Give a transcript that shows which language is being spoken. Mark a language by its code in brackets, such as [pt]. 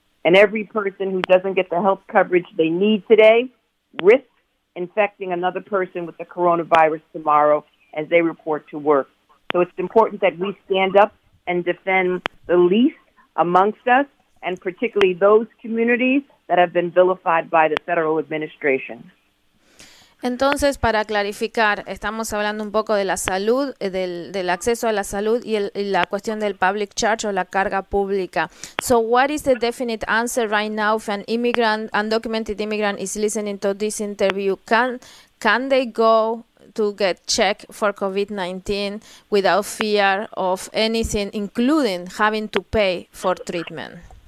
[en] And every person who doesn't get the health coverage they need today risks infecting another person with the coronavirus tomorrow as they report to work. So it's important that we stand up and defend the least amongst us, and particularly those communities that have been vilified by the federal administration. [es] Entonces, para clarificar, estamos hablando un poco de la salud, del acceso a la salud y la cuestión del public charge o la carga pública. [en] So what is the definite answer right now if an immigrant, undocumented immigrant is listening to this interview? Can they go to get checked for COVID-19 without fear of anything, including having to pay for treatment?